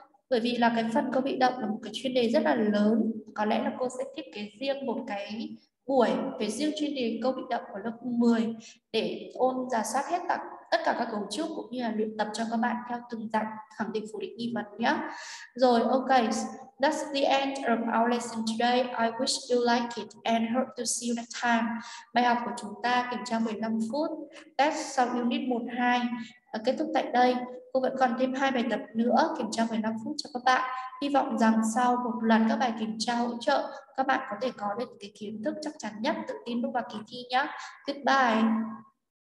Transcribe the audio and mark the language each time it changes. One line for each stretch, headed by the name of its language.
Vietnamese: Bởi vì là cái phần có bị động là một cái chuyên đề rất là lớn. Có lẽ là cô sẽ thiết kế riêng một cái buổi về riêng chuyên đề câu bị động của lớp 10 để ôn giả soát hết tất tất cả các cấu trúc cũng như là luyện tập cho các bạn theo từng dạng khẳng định phủ định nghi vấn nhé.
English: Rồi, ok. That's the end of our lesson today. I wish you like it and hope to see you next time.
Vietnamese: Bài học của chúng ta kiểm tra 15 phút. Test sau unit 1-2 kết thúc tại đây. Cô vẫn còn thêm 2 bài tập nữa kiểm tra 15 phút cho các bạn. Hy vọng rằng sau một lần các bài kiểm tra hỗ trợ, các bạn có thể có được cái kiến thức chắc chắn nhất, tự tin bước vào kỳ thi nhé. Goodbye.